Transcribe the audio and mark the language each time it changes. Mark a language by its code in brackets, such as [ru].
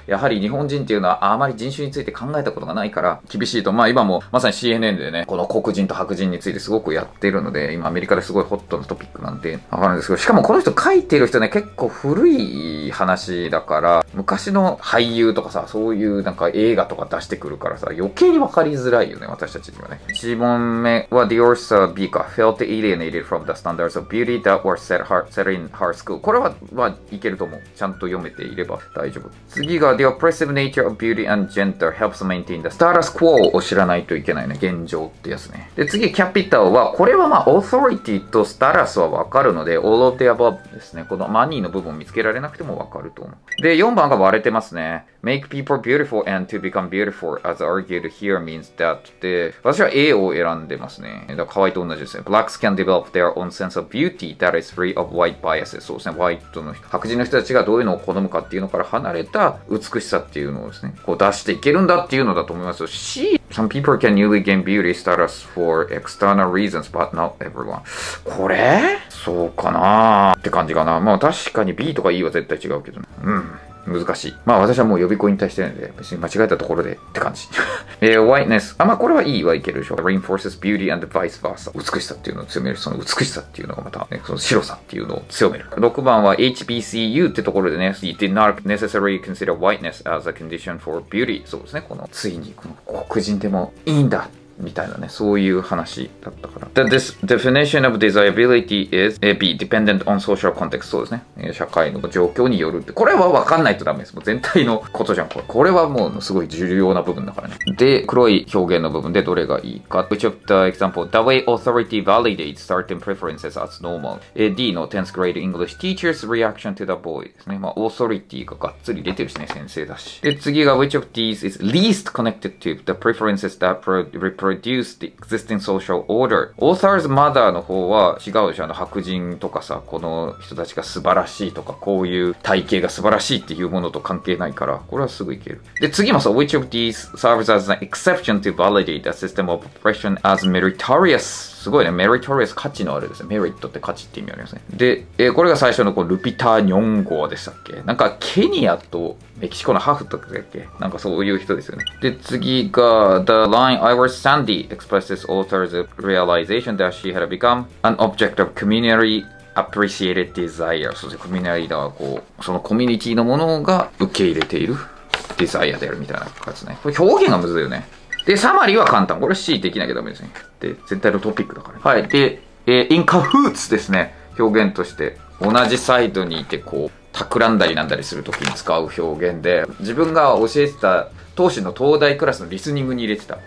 [ja] やはり日本人っていうのはあまり人種について考えたことがないから厳しいと。まあ今もまさに CNN でね、この黒人と白人についてすごくやってるので、今アメリカですごいホットなトピックなんてわかるんですけど、しかもこの人書いてる人ね、結構古い話だから、昔の俳優とかさ、そういうなんか映画とか出してくるからさ、余計に分かりづらいよね、私たちにはね。一問目は [en] Dior Sir B [ja] か [en] felt alienated from the standards of beauty that were set in her school。 [ja] これは、まあ、いけると思う。ちゃんと読めていれば大丈夫。 [en] 次が The oppressive nature of beauty and gender helps maintain the status quo [ja] を知らないといけないね、現状ってやつね。で、次 Capital は、これはまあ Authority と Status は分かるので [en] All of the above [ja] ですね。このマニーの部分を見つけられなくてもわかると思う。で、4番が割れてますね。 [en] Make people beautiful and to become beautiful as argued here means that [ja] で、私は A を選んでますね。だから可愛いと同じですね。 [en] Blacks can develop their own sense of beauty that is free of white bias。 [ja] そうですね、ホワイトの白人の人たちがどういうのを好むかっていうのから離れた美しさっていうのをですね、こう出していけるんだっていうのだと思いますよ。 [en] C、 Some people can newly gain beauty status for external reasons but not everyone。 [ja] これそうかなって感じかな。まあ確かに B とか E は絶対違うけどね。うん、難しい。まあ私はもう予備校に対してるんで、別に間違えたところでって感じ。 [en] whiteness。 [ja] あ、まあこれはいいはいけるでしょう。 [en] reinforces beauty and vice versa。 [ja] 美しさっていうのを強める。その美しさっていうのがまた、ね、その白さっていうのを強める。 6番は HBCU ってところでね、 [en] he did not necessarily consider whiteness as a condition for beauty。 [ja] そうですね、この、ついにこの黒人でもいいんだ。みたいなね、そういう話だったから。 [en] The definition of desirability is B, dependent on social context. [ja] そうですね。社会の状況によるって。これは分かんないとダメです。もう全体のことじゃん、これ。これはもうすごい重要な部分だからね。で、黒い表現の部分でどれがいいか。 [en] Which of the example? The way authority validates certain preferences as normal. [ja] D の [en] 10th grade English teacher's reaction to the boy [ja] ですね。まあ、authority ががっつり出てるしね、先生だし。で、次が [en] Which of these is least connected to the preferences that produce the existing social order. [ja] Author's mother の方は違うし、あの白人とかさ、この人たちが素晴らしいとか、こういう体型が素晴らしいっていうものと関係ないから、これはすぐいける。で、次もさ、 [en] Which of these serves as an exception to validate the system of oppression as meritorious? [ja] すごいね。meritorious 価値のあるですね。メリットって価値って意味ありますね。で、これが最初のこうルピターニョン号でしたっけ。なんか、ケニアとメキシコのハーフとかだっけ。なんかそういう人ですよね。で、次が、 [en] The line I was Sandy expresses author's realization that she had become an object of communityappreciated desire. [ja] そうですね。コミュニアリーダーはこう、そのコミュニティのものが受け入れているデザイアであるみたいな感じですね。これ表現がむずいよね。で、サマリーは簡単。これ C できなきゃダメですね。で、全体のトピックだから、ね。はい。で、 [en] in cahoots [ja] ですね。表現として。同じサイドにいて、こう、企んだりなんだりするときに使う表現で、自分が教えてた、当時の東大クラスのリスニングに入れてた。